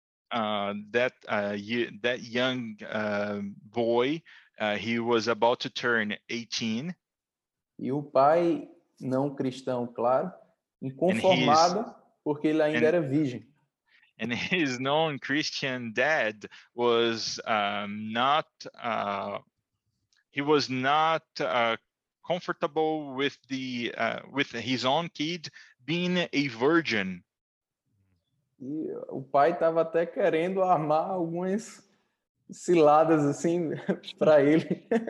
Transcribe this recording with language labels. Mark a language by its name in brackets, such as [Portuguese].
[English] That young boy, he was about to turn 18. [Portuguese] E o pai, não cristão, claro, inconformado, porque ele ainda era virgem. [English] And his non-Christian dad was not comfortable with his own kid being a virgin. [Portuguese] E o pai estava até querendo armar algumas ciladas assim para ele.